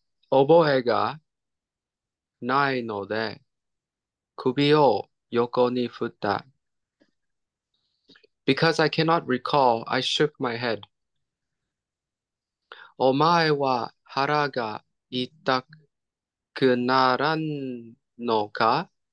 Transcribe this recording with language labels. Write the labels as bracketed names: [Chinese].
[Japanese] 覚えがないので首を横に振った。 [English] Because I cannot recall, I shook my head. [Japanese] お前は腹が痛くならんのか？